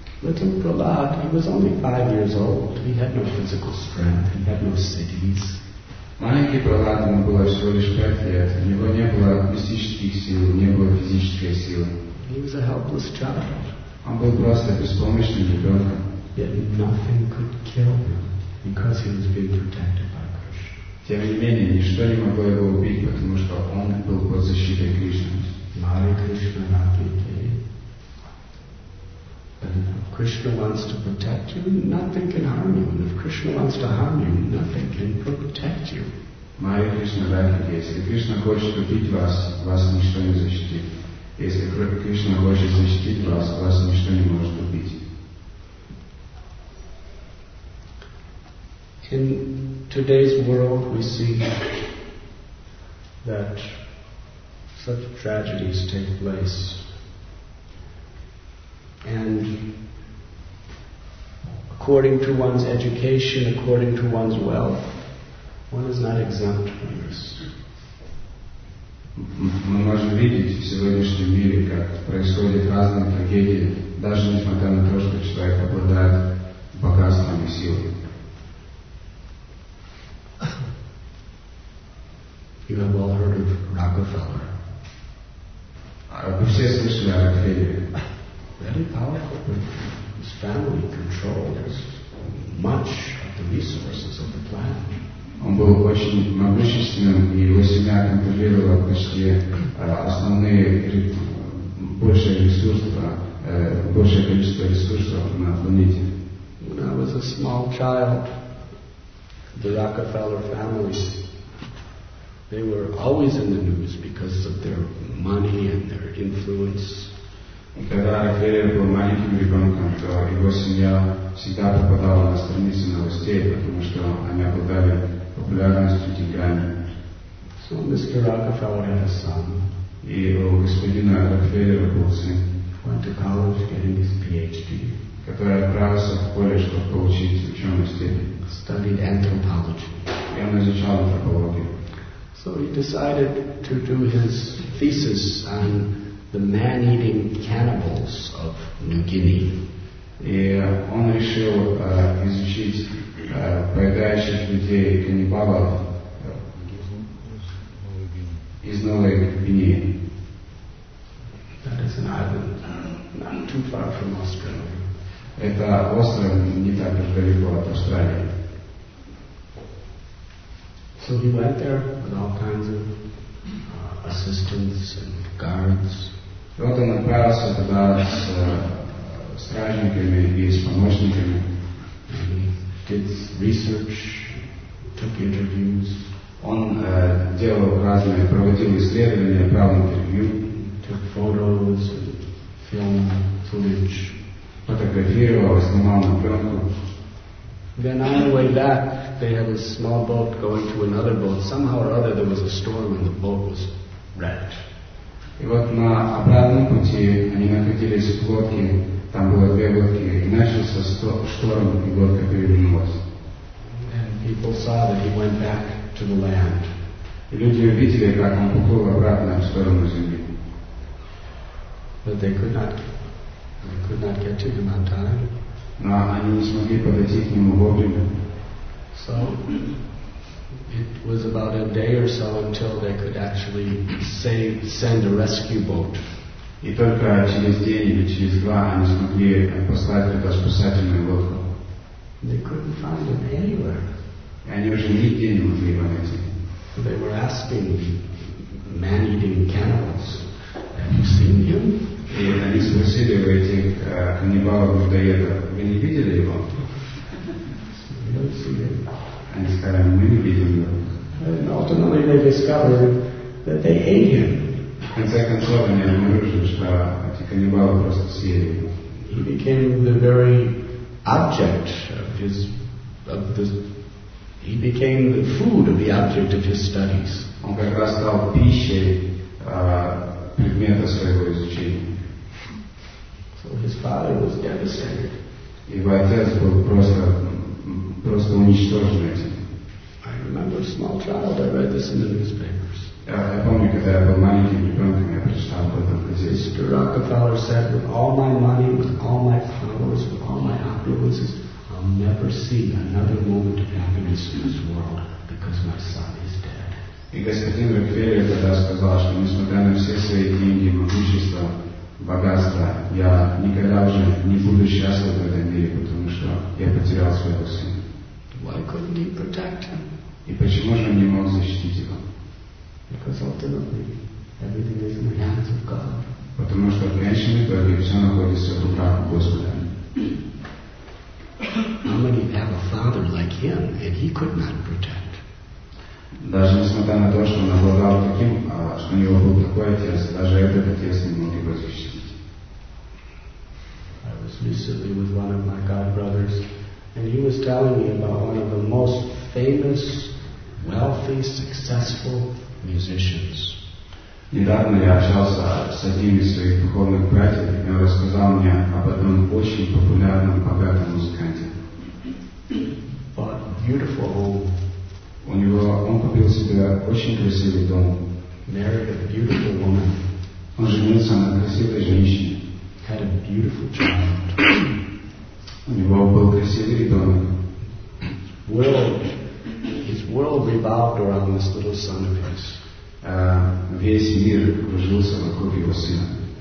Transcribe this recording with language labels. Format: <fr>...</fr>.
<en>Little Prahlad, he was only 5 years old, he had no physical strength, he had no cities.</en> <ru>Маленький Прохлад, ему было всего лишь 5 лет, у него не было мистических сил, не было физической силы.</ru> <en>He was a helpless child.</en> <ru>Он был просто беспомощным ребенком.</ru> <en>Yet nothing could kill him because he was being protected by Krishna.</en> <ru>Тем не менее, ничто не могло его убить, потому что он был под защитой Кришны.</ru> <en>Hare Krishna, Nakite. If Krishna wants to protect you, nothing can harm you. And if Krishna wants to harm you, nothing can protect you. Hare Krishna, Nakite.</en> <ru>Если Кришна хочет убить вас, вас ничто не защитит. Если Кришна хочет защитить вас, вас ничто не может убить.</ru> <en>In today's world, we see that such tragedies take place. And according to one's education, according to one's wealth, one is not exempt from this.</en> <ru>Мы можем видеть в сегодняшнем мире, как происходят разные трагедии, даже несмотря на то, что человек обладает богатством и силой.</ru> <en>You have all heard of Rockefeller.</en> <ru>Вы все слышали о Рокфеллере.</ru> <en>Very powerful. His family controls much of the resources of the planet.</en> <ru>Он был очень могущественным, и его семья контролировала почти основные большее количество ресурсов на планете.</ru> <en>When I was a small child, the Rockefeller family, they were always in the news because of their money and their influence.</en> <ru>И когда Рокфеллер был маленьким ребенком, то его семья всегда попадала на страницы новостей, потому что они обладали популярностью, деньгами.</ru> <en>So Mr. Rockefeller had a son.</en> <ru>И у господина Рокфеллера был сын.</ru> <en>Went to college getting his PhD.</en> <ru>Который отправился в колледж, чтобы получить ученую степень.</ru> <en>Studied anthropology.</en> <ru>И он изучал антропологию.</ru> <en>So he decided to do his thesis on the man-eating cannibals of New Guinea.</en> <ru>И он решил изучить поедающих людей каннибалов из Новой Гвинеи.</ru> <en>That is an island not too far from Australia.</en> <ru>Это остров не так далеко от Австралии.</ru> <en>So he went there with all kinds of assistants and guards.</en> <ru>Вот он отправился туда с стражниками и с помощниками.</ru> <en>And he did research, took interviews.</en> <ru>Он делал разные, проводил исследования, брал интервью.</ru> <en>Took photos and film footage.</en> <ru>Фотографировал, снимал на пленку.</ru> <en>Then on the way back, they had a small boat going to another boat. Somehow or other, there was a storm and the boat was wrecked.</en> <ru>И вот на обратном пути они находились в лодке, там было 2 лодки, и начался шторм, и лодка перевернулась.</ru> <en>And people saw that he went back to the land.</en> <ru>И люди увидели, как он поплыл обратно в сторону земли.</ru> <en>But they could not get to him on time.</en> <ru>Но они не смогли подойти к нему вовремя.</ru> <en>So it was about a day or so until they could actually send a rescue boat.</en> <ru>И только через день или через два они смогли послать туда спасательную лодку.</ru> <en>They couldn't find him anywhere.</en> <ru>И они уже нигде не могли его найти.</ru> <en>They were asking man-eating cannibals, "Have you seen him?"</en> <ru>И они спросили у этих каннибалов-людоедов, "Вы не видели его?"</ru> <en>Don't see him.</en> <ru>Они сказали, мы не видим его.</ru> <en>And ultimately they discover that they hate him.</en> <ru>В конце концов они обнаружили, что эти каннибалы просто съели его.</ru> <en>He became the very object of his of the he became the food of the object of his studies.</en> <ru>Он как раз стал пищей предмета своего изучения.</ru> <en>So his father was devastated.</en> <ru>Его отец был просто уничтожен этим.</ru> <en>I remember a small child, I read this in the newspapers.</en> <ru>Я помню, когда я был маленьким ребенком, я прочитал об этом газете.</ru> <en>Mr. Rockefeller said, with all my money, with all my followers, with all my opulences, I'll never see another moment of happiness in this world because my son is dead.</en> <ru>И господин Рокфеллер тогда сказал, что несмотря на все свои деньги, могущество, богатство, я никогда уже не буду счастлив в этом мире, потому что я потерял своего сына.</ru> <en>Why couldn't he protect him?</en> <ru>И почему же он не мог защитить его?</ru> <en>Because ultimately, everything is in the hands of God.</en> <ru>Потому что в конечном итоге все находится в руках Господа.</ru> <en>How many have a father like him, and he could not protect?</en> <ru>Даже несмотря на то, что он обладал таким, что у него был такой отец, даже этот отец не мог его защитить.</ru> <en>I was recently with one of my God brothers, and he was telling me about one of the most famous, wealthy, successful musicians.</en> <ru>Недавно я общался с одним из своих духовных братьев, и он рассказал мне об одном очень популярном, богатом музыканте.</ru> <en>But beautiful home.</en> <ru>У него он купил себе очень красивый дом.</ru> <en>Married a beautiful woman.</en> <ru>Он женился на красивой женщине.</ru> <en>Had a beautiful child.</en> <ru>У него был красивый ребенок.</ru> <en>His world revolved around this little son of his.</en> <ru>Весь мир кружился вокруг его сына.</ru>